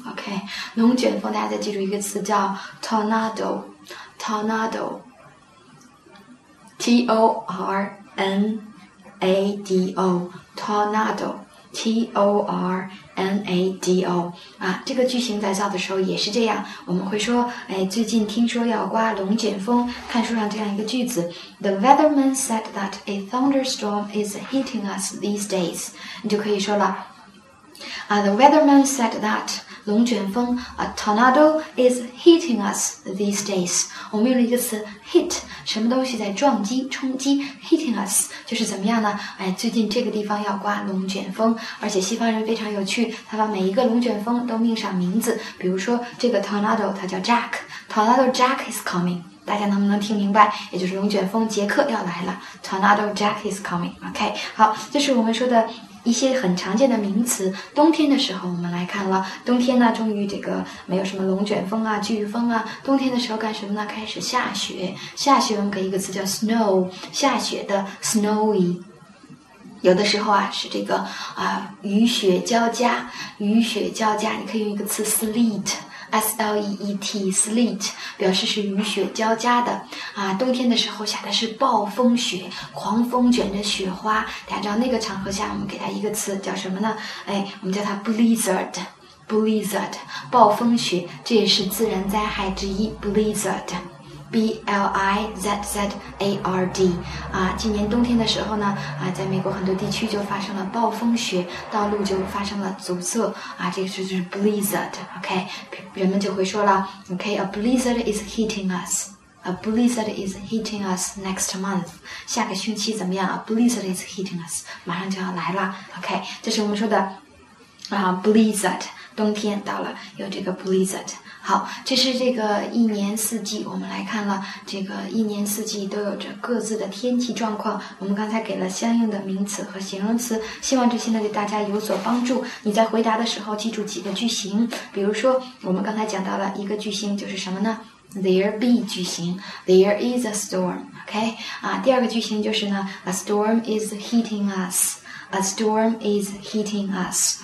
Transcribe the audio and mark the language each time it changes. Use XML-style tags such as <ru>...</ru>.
<zh>OK， 龙卷风，大家再记住一个词叫 tornado，T-O-R-N-A-D-O，tornado，T-O-R-N-A-D-O 啊，这个句型在造的时候也是这样，我们会说，哎，最近听说要刮龙卷风。看书上这样一个句子</zh> <en>，The weatherman said that a thunderstorm is hitting us these days。</en> <zh>你就可以说了，</zh> <en>The weatherman said that 龙卷风 a tornado is hitting us these days。</en> <zh>我们用了一个词 hit， 什么东西在撞击、冲击 ？hitting us 就是怎么样呢？哎，最近这个地方要刮龙卷风，而且西方人非常有趣，他把每一个龙卷风都命上名字。比如说这个 tornado， 它叫 Jack，</zh> <en>tornado Jack is coming。</en> <zh>大家能不能听明白？也就是龙卷风杰克要来了，</zh> <en>tornado Jack is coming。</en> <zh>OK， 好，这是我们说的一些很常见的名词。冬天的时候我们来看了，冬天呢终于这个没有什么龙卷风啊飓风啊，冬天的时候干什么呢？开始下雪，下雪我们给一个词叫 snow， 下雪的 snowy。有的时候啊是这个雨雪交加，雨雪交加你可以用一个词 sleet，S-L-E-E-T, sleet, 表示是雨雪交加的啊。冬天的时候下的是暴风雪，狂风卷着雪花，大家知道那个场合下我们给它一个词叫什么呢？哎，我们叫它 blizzard, blizzard, 暴风雪，这也是自然灾害之一， blizzard。 B-L-I-Z-Z-A-R-D 啊，今年冬天的时候呢啊，在美国很多地区就发生了暴风雪，道路就发生了阻塞啊，这个就是 blizzard。</zh> <en>OK，</en> <zh>人们就会说了，</zh> <en>OK， a blizzard is hitting us， a blizzard is hitting us next month，</en> <zh>下个星期怎么样，</zh> <en>a blizzard is hitting us，</en> <zh>马上就要来了。 OK， 这是我们说的blizzard， 冬天到了有这个 blizzard。好，这是这个一年四季，我们来看了这个一年四季都有着各自的天气状况。我们刚才给了相应的名词和形容词，希望这些呢对大家有所帮助。你在回答的时候记住几个句型，比如说我们刚才讲到了一个句型就是什么呢？</zh> <en>There be 句型， There is a storm。 OK，</en> <zh>啊，第二个句型就是呢</zh> <en>A storm is hitting us， A storm is hitting us。</en>